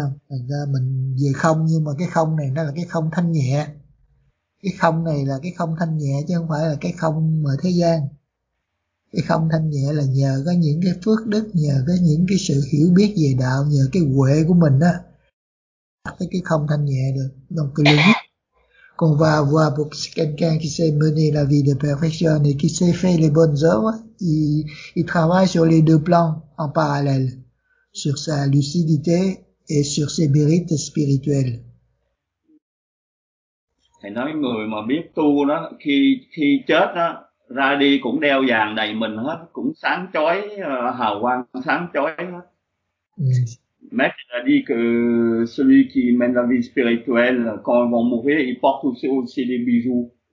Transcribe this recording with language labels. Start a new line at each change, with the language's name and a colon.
Vietnamese: Thành ra mình về không, nhưng mà cái không này nó là cái không thanh nhẹ. Cái không này là cái không thanh nhẹ chứ không phải là cái không mà thế gian. Cái không thanh nhẹ là nhờ có những cái phước đức, nhờ có những cái sự hiểu biết về đạo, nhờ cái huệ của mình á, cái không thanh nhẹ được.
French: Donc
Vietnamese: cái lý nhất,
French: qu'on va avoir pour quelqu'un qui sait mener la vie de perfection et qui sait faire les bonnes œuvres, il travaille sur les deux plans en parallèle, sur sa lucidité et sur ses mérites spirituels.
Vietnamese: Thầy nói người mà biết tu đó, khi chết đó, ra đi cũng đeo vàng đầy mình hết, cũng sáng chói, hào quang sáng chói hết.
French: Mec a dit que celui qui mène la vie spirituelle, quand ils vont mourir, ils portent aussi des bijoux.